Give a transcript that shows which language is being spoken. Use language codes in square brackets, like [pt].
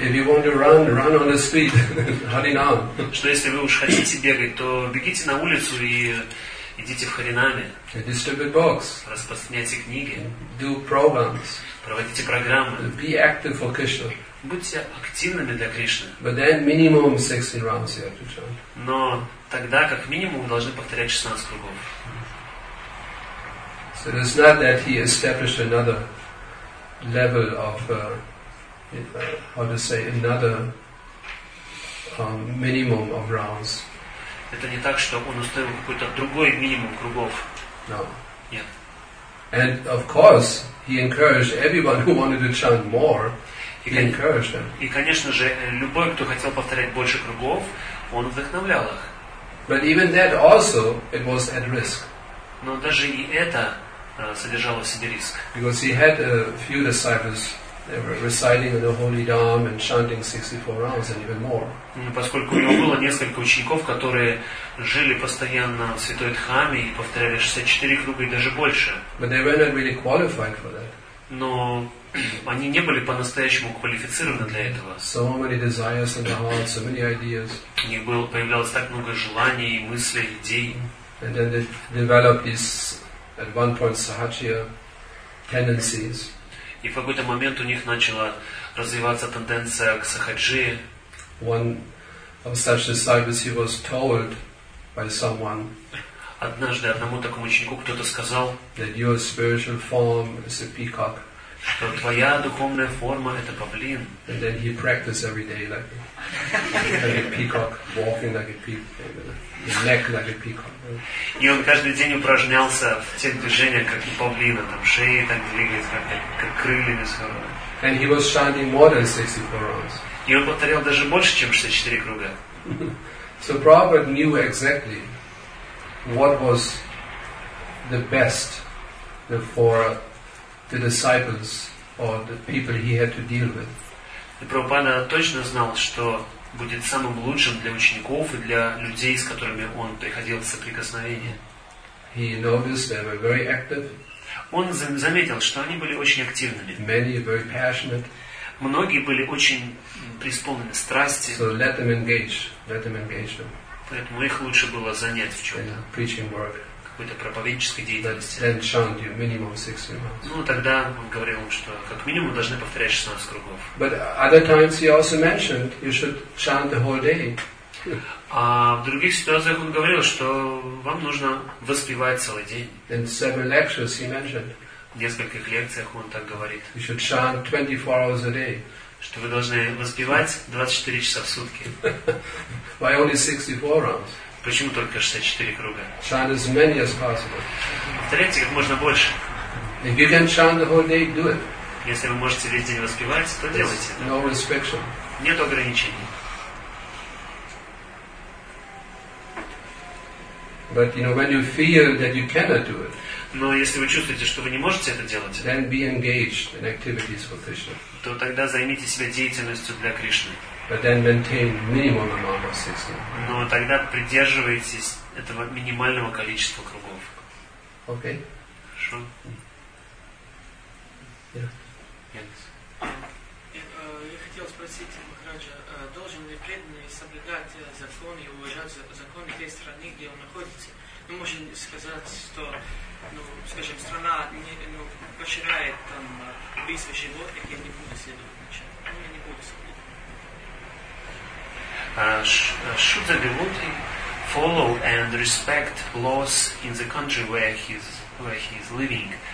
[en] If you want to run, run on the street, Харинам. [ru] Что если вы уж хотите бегать, то бегите на улицу и идите в Харинаме. [en] Distribute books. [ru] Распространяйте книги. [en] Do programs. [ru] Проводите программы. [en] Be active for Krishna. [ru] Будьте активными для Кришны. [en] But then minimum 16 rounds you have to chant. [ru] Но тогда как минимум вы должны повторять 16 кругов. [en] So it's not that he established another level of minimum of rounds. [ru] Это не так, что он установил какой-то другой минимум кругов. [en] No. [ru] Нет. [en] And of course, he encouraged everyone who wanted to chant more. He encouraged them. [ru] И конечно же, любой, кто хотел повторять больше кругов, он вдохновлял их. [en] But even that also, it was at risk. [ru] Но даже и это содержало в себе риск. [en] Because he had a few disciples, they were reciting the holy dham and chanting 64 rounds and even more. [ru] Поскольку у него было несколько учеников, которые жили постоянно в святой дхаме и повторяли 64 круга и даже больше. [en] But they were not really qualified for that. [ru] Но они не были по-настоящему квалифицированы для этого. [en] So many desires in the heart, so many ideas. [ru] У них было появлялось так много желаний, мыслей, идей. [en] And then they developed these at one point sahajya tendencies. [ru] И в какой-то момент у них начала развиваться тенденция к сахаджии. [en] One of such disciples, he was told by someone. [ru] Однажды одному такому ученику кто-то сказал, [en] that your spiritual form is a peacock. [ru] Что твоя духовная форма это павлин. [en] And then he practiced every day like a peacock, walking like a peacock. Neck like a peacock. [ru] И он каждый день упражнялся в тех движениях, как у павлина, там шеи так двигались, как крыльями сорваны. [en] And he was chanting more than 64 rounds. [ru] И он повторял даже больше, чем 64 круга. [en] So Prabhupada knew exactly what was the best for the disciples or the people he had to deal with. [ru] И Прабхупада точно знал, что будет самым лучшим для учеников и для людей, с которыми он приходил в соприкосновение. [en] He noticed they were very active. [ru] Он заметил, что они были очень активными. [en] Many very passionate. [ru] Многие были очень преисполнены страсти. [en] So let them engage. Let them engage them. [ru] Поэтому их лучше было занять в чем-то. [en] Preaching work. [ru] Какой-то проповеднической деятельности. [en] Then chant you minimum 16 rounds. [ru] Ну, тогда он говорил им, что как минимум должны повторять 16 кругов. [en] But other times he also mentioned you should chant the whole day. [ru] А в других ситуациях он говорил, что вам нужно воспевать целый день. [en] In several lectures he mentioned. [ru] В нескольких лекциях он так говорит. [en] You should chant 24 hours a day. [ru] Что вы должны воспевать 24 часа в сутки. [en] Why only 64 rounds? [ru] Почему только 64 круга? [en] Chant as many as possible. [ru] Повторяйте как можно больше. [en] If you can chant the whole day, do it. [ru] Если вы можете весь день воспевать, то делайте. [en] No restriction. [ru] Нет ограничений. [en] But you know when you feel that you cannot do it. [ru] Но если вы чувствуете, что вы не можете это делать, [en] then be engaged in activities for Krishna. [ru] То тогда займите себя деятельностью для Кришны. [en] But then maintain minimum amount of sixteen. [ru] Но тогда придерживайтесь этого минимального количества кругов. [en] Okay. [ru] Хорошо. Я хотел спросить Махараджа, должен ли преданный соблюдать закон и уважать закон той страны, где он находится? Ну, можно сказать, что, ну, скажем, страна не, ну, поощряет там убийство животных, я не буду следовать ничего. Ну, я не буду следовать. [en] Should the devotee follow and respect laws in the country where he is living?